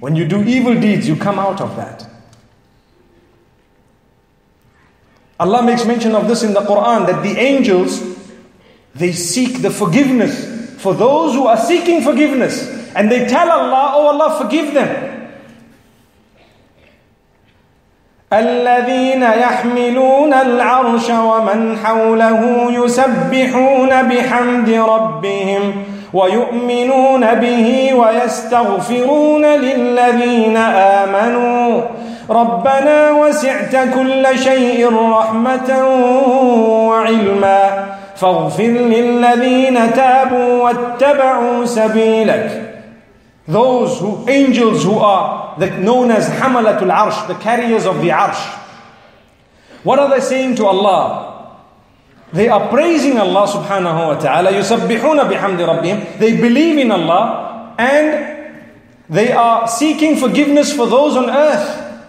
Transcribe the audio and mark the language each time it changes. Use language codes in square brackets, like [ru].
[en] When you do evil deeds, you come out of that. Allah makes mention of this in the Quran, that the angels, they seek the forgiveness for those who are seeking forgiveness. And they tell Allah, "Oh Allah, forgive them." [ar] الذين يحملون العرش ومن حوله يسبحون بحمد ربهم ويؤمنون به ويستغفرون للذين آمنوا ربنا وسعت كل شيء رحمة وعلما فاغفر للذين تابوا واتبعوا سبيلك. [en] Those who, angels who are the, known as Hamalatul Arsh, the carriers of the Arsh. What are they saying to Allah? They are praising Allah subhanahu wa ta'ala. [ar] يُسَبِّحُونَ بِحَمْدِ رَبِّهِمْ. [en] They believe in Allah and they are seeking forgiveness for those on earth.